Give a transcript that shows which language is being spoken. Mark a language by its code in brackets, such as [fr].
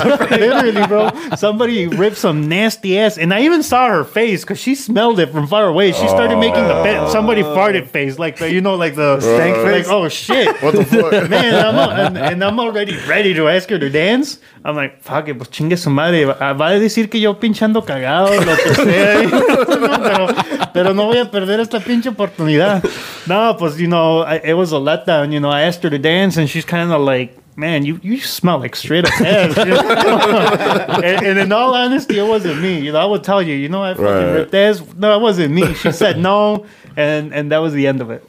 [en] Literally, bro. Somebody ripped some nasty ass. And I even saw her face because she smelled it from far away. She started making the bed. Somebody farted face. Like, the, you know, like the stank face. Like, oh, shit. What the fuck? Man, I'm already ready to ask her to dance. I'm like, fuck it, [es] pues chingue su madre. Va a decir que yo pinchando cagado, lo que sea. Pero no voy a perder esta pinche oportunidad. [en] No, pues, you know, it was a letdown. You know, I asked her to dance and she's kind of like, man, you smell like straight up ass. And in all honesty, it wasn't me. You know, I would tell you, you know, I fucking ripped ass. No, it wasn't me. She said no. And that was the end of it.